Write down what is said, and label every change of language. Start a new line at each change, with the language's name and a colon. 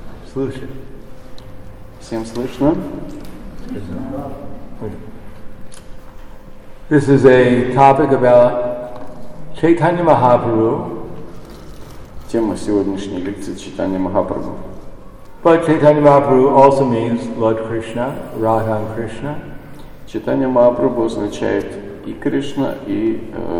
Russian: Слушай. Всем слышно?
English: This is a topic about Chaitanya Mahaprabhu.
Russian: Тема сегодняшней лекции Чайтанья Махапрабху.
English: But Chaitanya Mahaprabhu also means Lord Krishna, Radha and Krishna.
Russian: Чайтанья Махапрабху означает и Кришна, и